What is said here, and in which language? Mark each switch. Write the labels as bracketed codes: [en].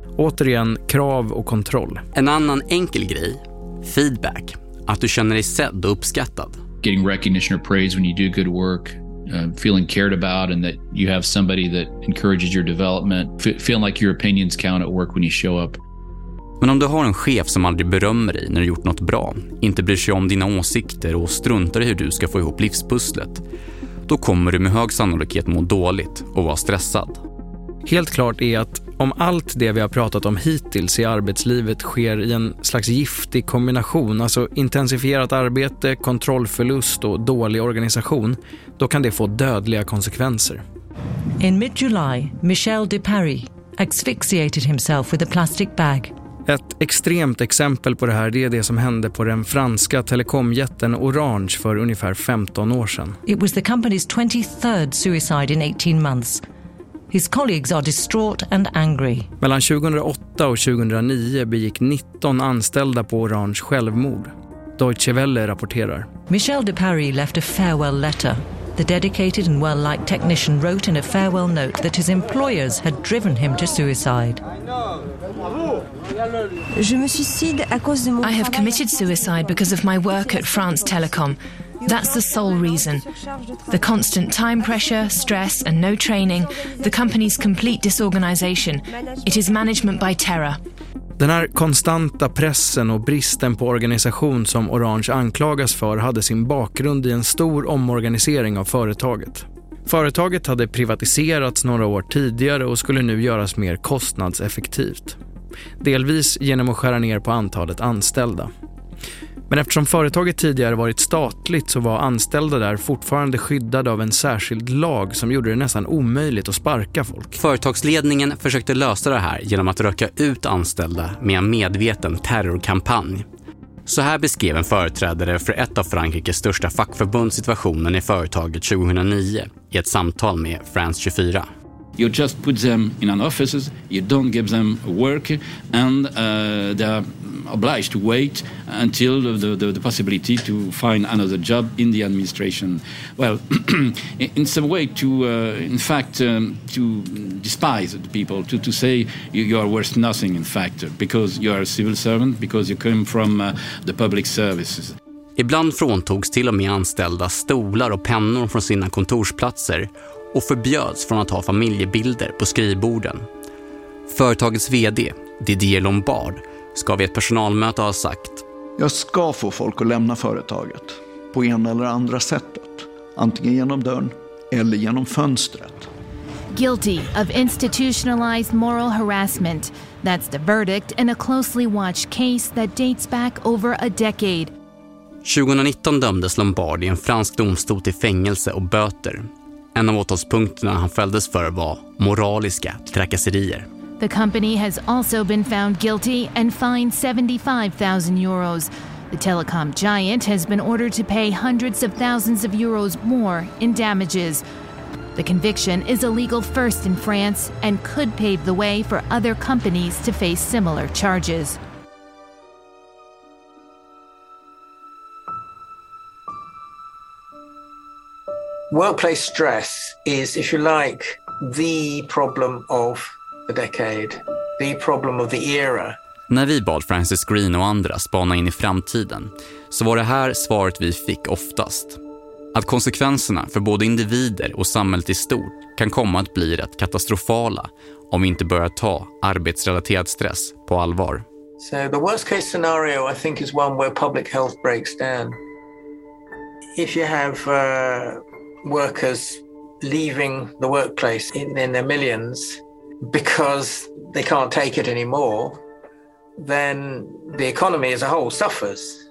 [sv] Återigen, krav och kontroll. En annan enkel grej, feedback, att du känner dig sedd och uppskattad. [en] Getting recognition or praise when you do good work. Feeling cared about and that you have somebody that encourages your development. Feeling like your opinions count at work when you show up. [sv] Men om du har en chef som aldrig berömmer dig när du gjort något bra, inte bryr sig om dina åsikter och struntar i hur du ska få ihop livspusslet, då kommer du med hög sannolikhet må dåligt och vara stressad. Helt klart är att om allt det vi har pratat om hittills i arbetslivet sker i en slags giftig kombination, alltså intensifierat arbete, kontrollförlust och dålig organisation, då kan det få dödliga konsekvenser. [en] In mid-July, Michel Dupary asphyxiated himself with a plastic bag. [sv] Ett extremt exempel på det här, det är det som hände på den franska telekomjätten Orange för ungefär 15 år sedan. [en] It was the company's 23rd suicide in 18 months. His colleagues are distraught and angry. [sv] Mellan 2008 och 2009 begick 19 anställda på Orange självmord. Deutsche Welle rapporterar. [en] Michel Dupary left a farewell letter. The dedicated and well-liked technician wrote in a farewell note that his employers had driven him to suicide. I have committed suicide because of my work at France Telecom. That's the sole reason. The constant time pressure, stress and no training, the company's complete disorganization. It is management by terror. [sv] Den här konstanta pressen och bristen på organisation som Orange anklagas för hade sin bakgrund i en stor omorganisering av företaget. Företaget hade privatiserats några år tidigare och skulle nu göras mer kostnadseffektivt. Delvis genom att skära ner på antalet anställda. Men eftersom företaget tidigare varit statligt så var anställda där fortfarande skyddade av en särskild lag som gjorde det nästan omöjligt att sparka folk. Företagsledningen försökte lösa det här genom att röka ut anställda med en medveten terrorkampanj. Så här beskrev en företrädare för ett av Frankrikes största fackförbundssituationen i företaget 2009 i ett samtal med France 24. [en] You just put them in an offices, you don't give them work and they are obliged to wait until the possibility to find another job in the administration. Well, in some way to despise the people, to say you are worth nothing in fact, because you are a civil servant, because you come from the public services. [sv] Ibland fråntogs till och med anställda stolar och pennor från sina kontorsplatser och förbjöds från att ha familjebilder på skrivborden. Företagets vd, Didier Lombard, ska vid ett personalmöte ha sagt: jag ska få folk att lämna företaget på en eller andra sättet, antingen genom dörren eller genom fönstret. [en] Guilty of institutionalized moral harassment. That's the verdict in a closely watched case that dates back over a decade. [sv] 2019 dömdes Lombard i en fransk domstol till fängelse och böter. En av åtalspunkterna han fälldes för var moraliska trakasserier. [en] The company has also been found guilty and fined 75,000 euros. The telecom giant has been ordered to pay hundreds of thousands of euros more in damages. The conviction is a legal first in France and could pave the way for other companies to face similar charges. Workplace stress is, if you like, the problem of the decade, the problem of the era. [sv] När vi bad Francis Green och andra spana in i framtiden så var det här svaret vi fick oftast. att konsekvenserna för både individer och samhället i stort kan komma att bli rätt katastrofala om vi inte börjar ta arbetsrelaterad stress på allvar. [en] So the worst case scenario I think is one where public health breaks down. If you have workers leaving the workplace in their millions because they can't take it anymore, then the economy as a whole suffers.